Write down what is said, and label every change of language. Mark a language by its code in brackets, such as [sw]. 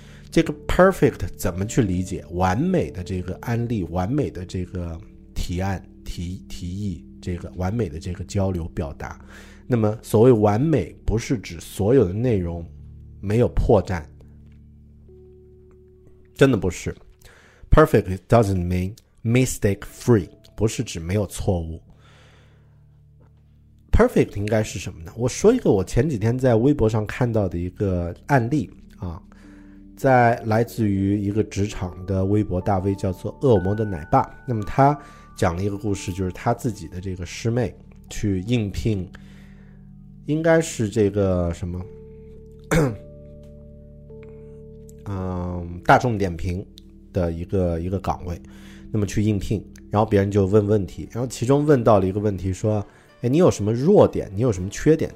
[zh] 这个 perfect 怎么去理解？完美的这个案例，完美的这个提议，这个完美的这个交流表达。那么所谓完美不是指所有的内容没有破绽，真的不是。 [en] Perfect doesn't mean mistake free， [zh] 不是指没有错误。 Perfect 应该是什么呢？我说一个我前几天在微博上看到的一个案例啊，在来自于一个职场的微博大 V 叫做恶魔的奶爸，那么他讲了一个故事，就是他自己的这个师妹去应聘，应该是这个什么，大众点评的一个岗位，那么去应聘，然后别人就问问题，然后其中问到了一个问题，说，哎，你有什么弱点？你有什么缺点？